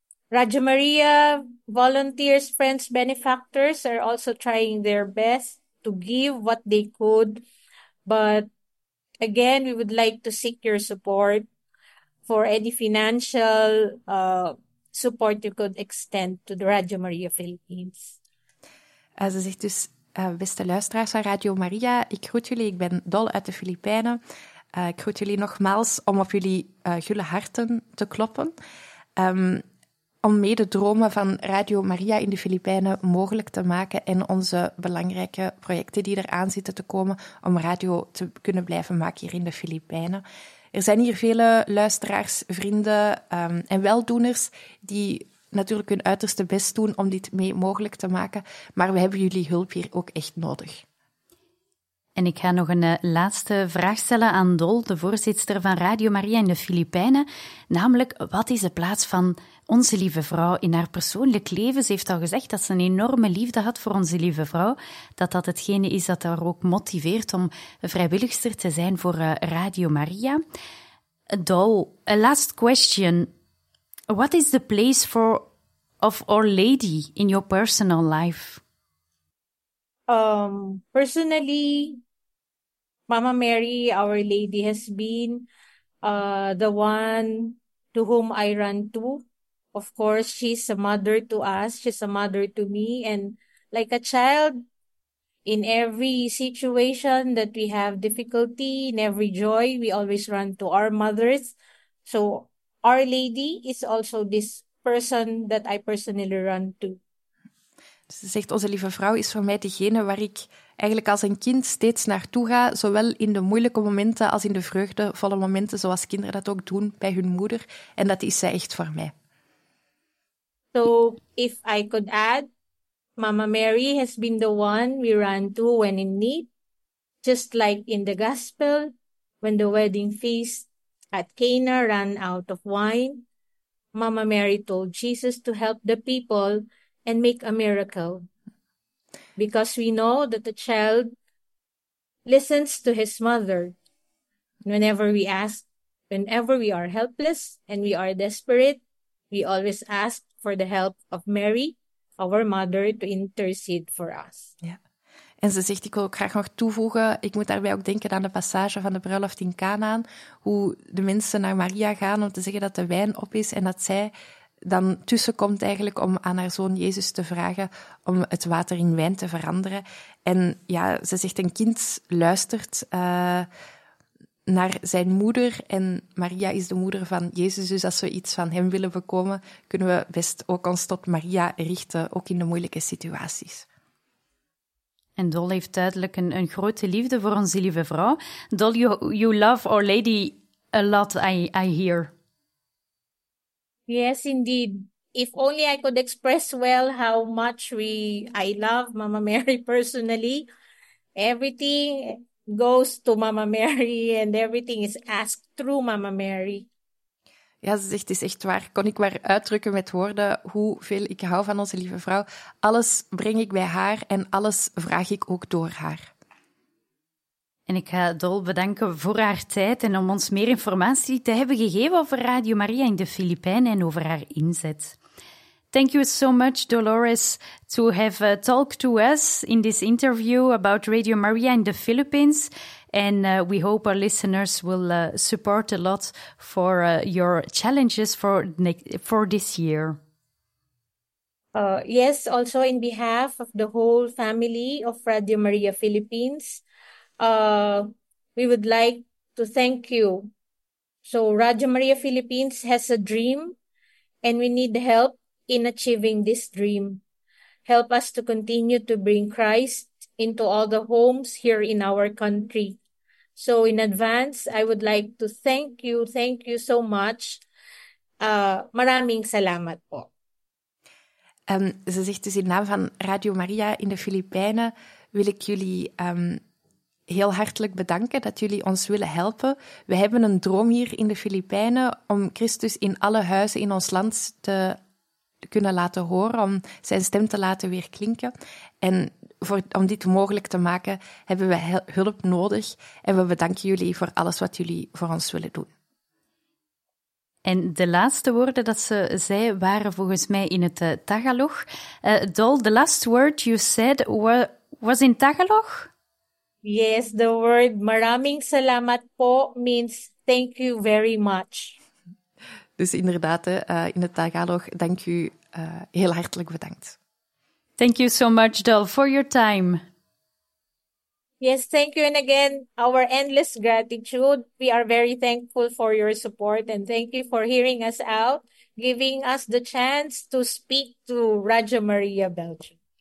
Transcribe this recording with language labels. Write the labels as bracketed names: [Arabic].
[English] Radio Maria volunteers, friends, benefactors are also trying their best to give what they could. But again, we would like to seek your support for any financial support you could extend to the Radio Maria Philippines. [Dutch] Ze zegt dus, beste luisteraars van Radio Maria, ik groet jullie, ik ben Dol uit de Filipijnen. Ik groet jullie nogmaals om op jullie gulle harten te kloppen. Om mee de dromen van Radio Maria in de Filipijnen mogelijk te maken en onze belangrijke projecten die eraan zitten te komen om radio te kunnen blijven maken hier in de Filipijnen. Er zijn hier vele luisteraars, vrienden en weldoeners die natuurlijk hun uiterste best doen om dit mee mogelijk te maken, maar we hebben jullie hulp hier ook echt nodig. En ik ga nog een laatste vraag stellen aan Dol, de voorzitter van Radio Maria in de Filipijnen. Namelijk, wat is de plaats van Onze Lieve Vrouw in haar persoonlijk leven? Ze heeft al gezegd dat ze een enorme liefde had voor Onze Lieve Vrouw. Dat dat hetgene is dat haar ook motiveert om vrijwilligster te zijn voor Radio Maria. [English] Dol, a last question. What is the place of Our Lady in your personal life? Personally, Mama Mary, Our Lady, has been the one to whom I run to. Of course, she's a mother to us, she's a mother to me, and like a child, in every situation that we have difficulty, in every joy, we always run to our mothers. So Our Lady is also this person that I personally run to. [Dutch] Ze zegt, Onze Lieve Vrouw is voor mij degene waar ik eigenlijk als een kind steeds naartoe ga, zowel in de moeilijke momenten als in de vreugdevolle momenten, zoals kinderen dat ook doen bij hun moeder. En dat is zij echt voor mij. [English] So, if I could add, Mama Mary has been the one we run to when in need. Just like in the gospel, when the wedding feast at Cana ran out of wine, Mama Mary told Jesus to help the people and make a miracle, because we know that the child listens to his mother. Whenever we ask, whenever we are helpless and we are desperate, we always ask for the help of Mary, our mother, to intercede for us. Yeah. [Dutch] En ze zegt, ik wil ook graag nog toevoegen, ik moet daarbij ook denken aan de passage van de bruiloft in Canaan, hoe de mensen naar Maria gaan om te zeggen dat de wijn op is en dat zij dan tussenkomt eigenlijk om aan haar zoon Jezus te vragen om het water in wijn te veranderen. En ja, ze zegt, een kind luistert naar zijn moeder en Maria is de moeder van Jezus. Dus als we iets van hem willen bekomen, kunnen we best ook ons tot Maria richten, ook in de moeilijke situaties. En Dolly heeft duidelijk een grote liefde voor onze lieve vrouw. [English] Dolly, you love Our Lady a lot, I hear. Yes, indeed. If only I could express well how much I love Mama Mary personally. Everything goes to Mama Mary and everything is asked through Mama Mary. [Dutch] Ja, ze zegt, het is echt waar. Kon ik maar uitdrukken met woorden hoeveel ik hou van onze lieve vrouw. Alles breng ik bij haar en alles vraag ik ook door haar. En ik ga Dol bedanken voor haar tijd en om ons meer informatie te hebben gegeven over Radio Maria in de Filipijnen en over haar inzet. [English] Thank you so much, Dolores, to have talked to us in this interview about Radio Maria in the Philippines. And we hope our listeners will support a lot for your challenges for this year. Yes, also in behalf of the whole family of Radio Maria Philippines, we would like to thank you. So Radio Maria Philippines has a dream and we need help in achieving this dream. Help us to continue to bring Christ into all the homes here in our country. So in advance, I would like to thank you so much. [Filipino] Maraming salamat po. [Dutch] Ze zegt dus in naam van Radio Maria in de Filipijnen, wil ik jullie heel hartelijk bedanken dat jullie ons willen helpen. We hebben een droom hier in de Filipijnen om Christus in alle huizen in ons land te kunnen laten horen, om zijn stem te laten weer klinken. En om dit mogelijk te maken, hebben we hulp nodig. En we bedanken jullie voor alles wat jullie voor ons willen doen. En de laatste woorden dat ze zei, waren volgens mij in het Tagalog. [English] Dol, the last word you said was in Tagalog? Yes, the word [Filipino] maraming salamat po [English] means thank you very much. [Dutch] Dus inderdaad, in het Tagalog, dank u heel hartelijk bedankt. [English] Thank you so much, Dol, for your time. Yes, thank you. And again, our endless gratitude. We are very thankful for your support. And thank you for hearing us out, giving us the chance to speak to Radio Maria Belgium.